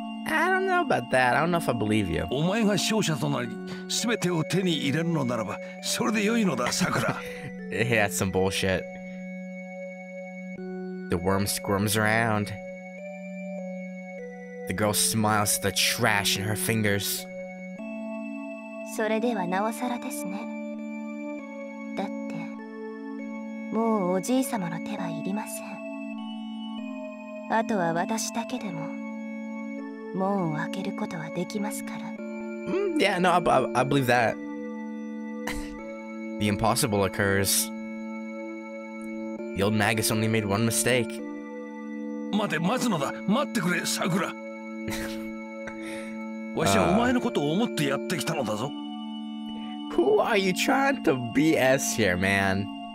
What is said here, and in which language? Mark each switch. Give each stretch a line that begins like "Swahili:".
English: I don't know about that. I don't know if I believe you.
Japanese: お前が勝者となり、全てを手に入れるのならば、それでよいのだ、さくら。
English: That's some bullshit. The worm squirms around. The girl smiles at the trash in her fingers.
Japanese: それではなおさらですね。だってもうおじいさまの手はいりません。あとは私だけでも門を開けることはできますから。
English: Yeah, no, I believe that. The impossible occurs. The old magus only made one mistake.
Japanese: 待て、待つのだ。待ってくれ、さくら。
English: Who are you trying to BS here, man?